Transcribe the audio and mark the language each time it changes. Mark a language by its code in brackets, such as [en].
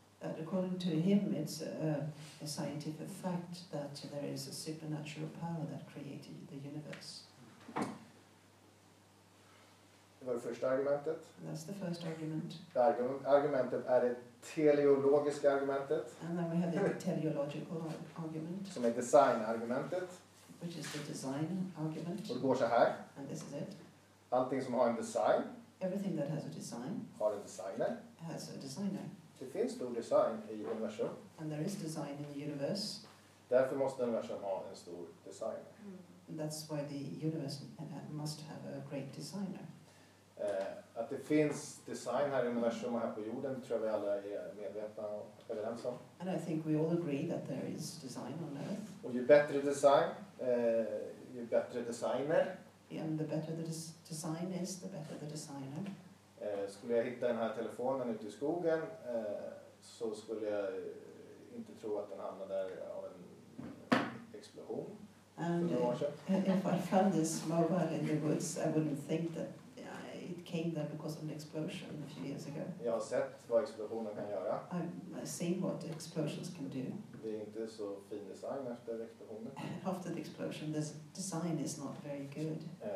[en] According to him, it's a scientific fact that there is a supernatural power that created the universe. [sv] Det var det första argumentet. [en] That's the first argument. [sv] Argumentet är det teleologiska argumentet. [en] And then we have the teleological argument. [sv] Som är designargumentet. [en] Which is the design argument. [sv] Och det går så här. [en] And this is it. [sv] Allting som har en design. [en] Everything that has a design. [sv] Har en designer. [en] Has a designer. [sv] Det finns stor design i universum. [en] And there is design in the universe. [sv] Därför måste universum ha en stor designer. [en] That's why the universe must have a great designer. [sv] Att det finns design här i universum och här på jorden tror jag vi alla är medvetna och överens om. [en] And I think we all agree that there is design on earth. [sv] Och ju bättre design, ju bättre designer. [en] And the better the design is, the better the designer. [sv] Skulle jag hitta den här telefonen ute i skogen så skulle jag inte tro att den hamnade där av en explosion. [en] And if I found this mobile in the woods, I wouldn't think that came there because of an explosion a few years ago. [sv] Jag har sett vad explosioner kan göra. [en] I've seen what explosions can do. [sv] Det är inte så fin design efter explosionen. [en] After the explosion, the design is not very good.